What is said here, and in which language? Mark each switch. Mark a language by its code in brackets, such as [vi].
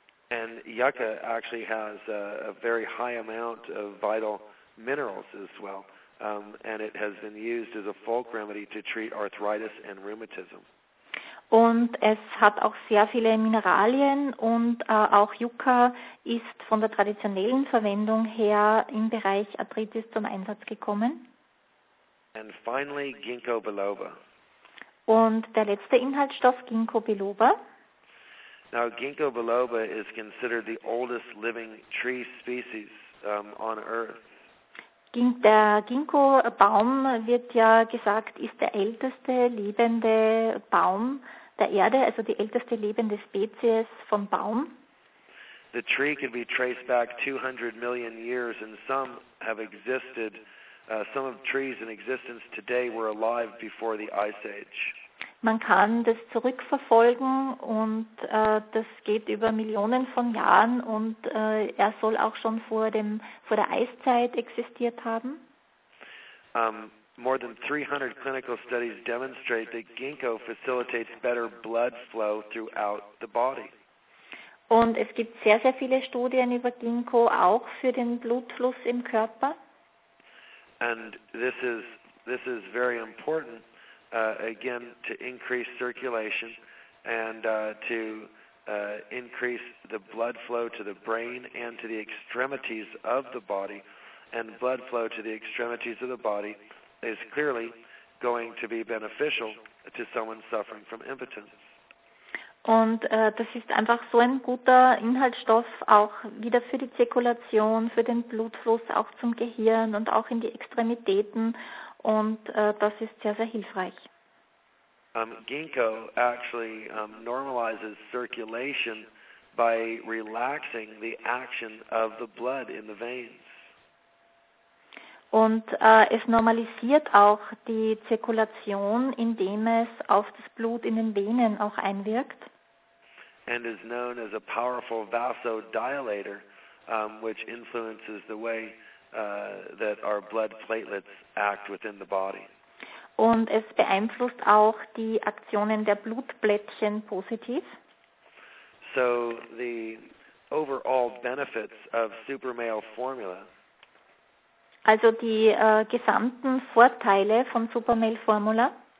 [en] And Yucca actually has a very high amount of vital minerals as well, and it has been used as a folk remedy to treat arthritis and rheumatism. [de] Und es hat auch sehr viele Mineralien und auch Yucca ist von der traditionellen Verwendung her im Bereich Arthritis zum Einsatz gekommen. [en] And finally, Ginkgo biloba. [de] Und der letzte Inhaltsstoff, Ginkgo biloba. [en] Now, Ginkgo biloba is considered the oldest living tree species on Earth. [de] Der Ginkgo-Baum wird ja gesagt, ist der älteste lebende Baum der Erde, also die älteste lebende Spezies von Baum. [en] The tree can be traced back 200 million years, and some have existed. Some of the trees in existence today were alive before the Ice Age. [de] Man kann das zurückverfolgen und das geht über Millionen von Jahren und er soll auch schon vor der Eiszeit existiert haben. [en] More than 300 clinical studies demonstrate that Ginkgo facilitates better blood flow throughout the body. [de] Und es gibt sehr, sehr viele Studien über Ginkgo auch für den Blutfluss im Körper. [en] And this is very important. Again, to increase circulation and to increase the blood flow to the brain and to the extremities of the body, and blood flow to the extremities of the body is clearly going to be beneficial to someone suffering from impotence. [de] Und das ist einfach so ein guter Inhaltsstoff auch wieder für die Zirkulation, für den Blutfluss auch zum Gehirn und auch in die Extremitäten. Und das ist sehr, sehr hilfreich. [en] Ginkgo actually normalizes circulation by relaxing the action of the blood in the veins. [de] Und es normalisiert auch die Zirkulation, indem es auf das Blut in den Venen auch einwirkt. [en] And is known as a powerful vasodilator, which influences the way that our blood platelets act within the body. [de] Und es beeinflusst auch die Aktionen der Blutblättchen positiv. [en] So the overall benefits of Supermale Formula. [de] Also die gesamten Vorteile von Supermale Formula.